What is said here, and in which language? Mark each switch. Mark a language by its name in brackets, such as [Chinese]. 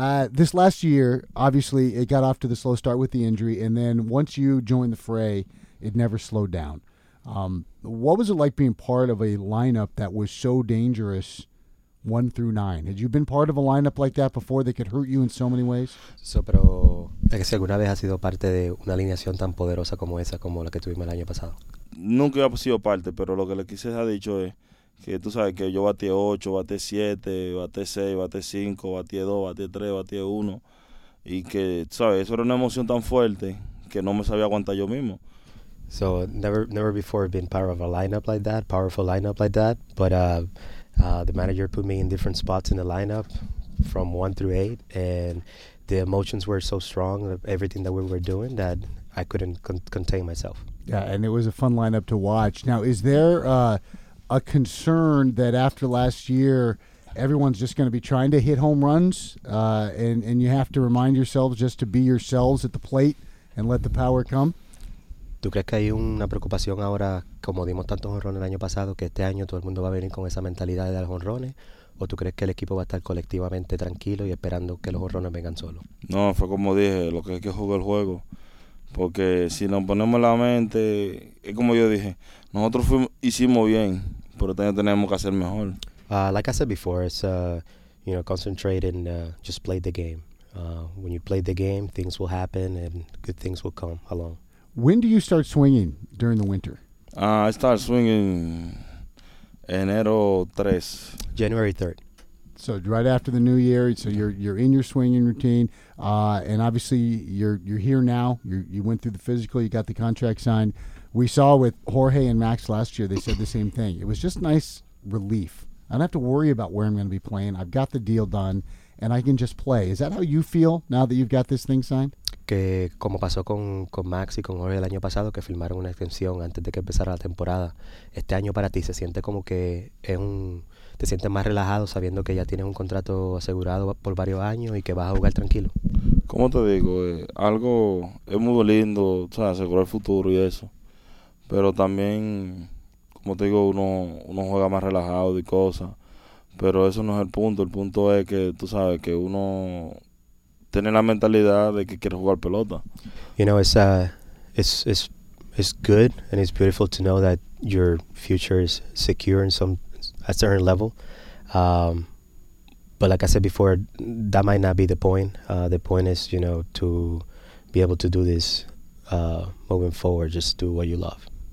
[English] This last year, obviously, it got off to the slow start with the injury, and then once you joined the fray, it never slowed down. What was it like being part of a lineup that was so dangerous 1-9? Had you been part of a lineup like that before that could hurt you in so many ways? [Spanish] So, pero es que si alguna vez has sido parte de una alineación tan poderosa como esa, como la que tuvimos el año pasado. Nunca he sido parte, pero lo que le quise ha dicho es, que tú sabes que yo batí 8, batí 7, batí 6, batí 5, batí 2, batí 3, batí 1. Y que, sabes, eso era una emoción tan fuerte que no me sabía aguantar yo mismo. [English] So, never before been part of a lineup like that, powerful lineup like that. But the manager put me in different spots in the lineup from 1-8. And the emotions were so strong, everything that we were doing, that I couldn't contain myself. Yeah, and it was a fun lineup to watch. Now, is there a concern that after last year, everyone's just going to be trying to hit home runs, and you have to remind yourselves just to be yourselves at the plate and let the power come? [Spanish] ¿Tú crees que hay una preocupación ahora, como dimos tantos jonrones el año pasado, que este año todo el mundo va a venir con esa mentalidad de los jonrones? ¿O tú crees que el equipo va a estar colectivamente tranquilo y esperando que los jonrones vengan solos? No, fue como dije, lo que hay que jugar el juego. Porque si nos ponemos la mente, es como yo dije, nosotros hicimos bien, pero también tenemos que hacer mejor. [English] Like I said before, it's concentrate and just play the game. When you play the game, things will happen and good things will come along. When do you start swinging during the winter? I start swinging enero 3. January 3rd. So right after the new year, so you're in your swinging routine, and obviously you're here now. You went through the physical, you got the contract signed. We saw with Jorge and Max last year, they said the same thing. It was just nice relief. I don't have to worry about where I'm going to be playing. I've got the deal done, and I can just play. Is that how you feel now that you've got this thing signed? [Spanish] Que como pasó con Max y con Jorge el año pasado, que firmaron una extensión antes de que empezara la temporada. Este año para ti se siente como que te sientes más relajado sabiendo que ya tienes un contrato asegurado por varios años y que vas a jugar tranquilo. Como te digo, algo es muy lindo, o sea, asegurar el futuro y eso. Pero también, como te digo, uno juega más relajado y cosas. Pero eso no es el punto. El punto es que, tú sabes, que uno tener la mentalidad de que quiere jugar pelota. [English] You know, it's good and it's beautiful to know that your future is secure in some a certain level. But like I said before, that might not be the point. The point is, you know, to be able to do this moving forward, just do what you love.